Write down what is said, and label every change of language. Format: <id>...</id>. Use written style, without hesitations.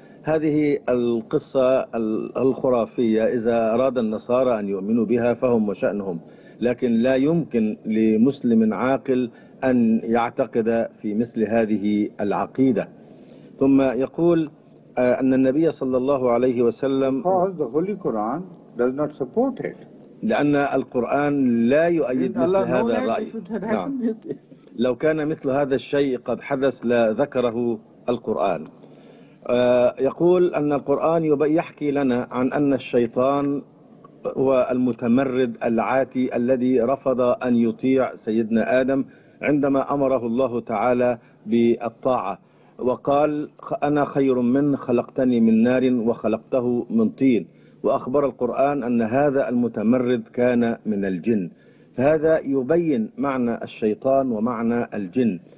<ar>هذه القصة الخرافية إذا أراد النصارى أن يؤمنوا بها فهم وشأنهم، لكن لا يمكن لمسلم عاقل أن يعتقد في مثل هذه العقيدة. ثم يقول أن النبي صلى الله عليه وسلم</ar> <en>Because the Holy Quran does not support it.</en> <ar>لأن القرآن لا يؤيد مثل هذا الرأي. نعم. لو كان مثل هذا الشيء قد حدث لذكره القرآن. يقول أن القرآن يحكي لنا عن أن الشيطان هو المتمرد العاتي الذي رفض أن يطيع سيدنا آدم عندما أمره الله تعالى بالطاعة وقال أنا خير من خلقتني من نار وخلقته من طين، وأخبر القرآن أن هذا المتمرد كان من الجن، فهذا يبين معنى الشيطان ومعنى الجن.</ar>